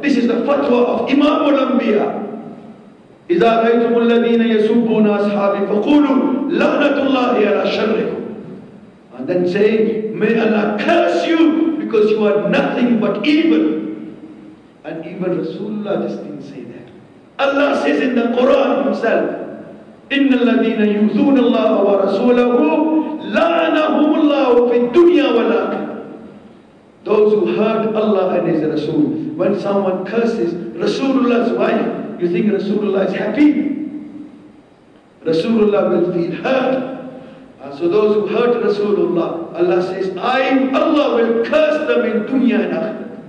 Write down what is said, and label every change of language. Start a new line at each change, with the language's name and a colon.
English: This is the fatwa of Imam al-Anbiya.
Arabic: إِذَا رَيْتُمُ الَّذِينَ يَسُبُّونَ أَصْحَابِي فَقُولُوا لَعْنَةُ اللَّهِ عَلَىٰ شَرِّكُمْ.
English: And then say, may Allah curse you because you are nothing but evil. And even Rasulullah just didn't say that. Allah says in the Quran himself,
Arabic: إِنَّ الَّذِينَ يُؤْذُونَ اللَّهَ وَرَسُولَهُ لَعَنَهُمُ اللَّهُ فِي الدُّنْيَا وَالْآخِرَةِ.
English: Those who hurt Allah and His Rasul. When someone curses Rasulullah's wife, you think Rasulullah is happy? Rasulullah will feel hurt. So those who hurt Rasulullah, Allah says, Allah will curse them in dunya and akhirah.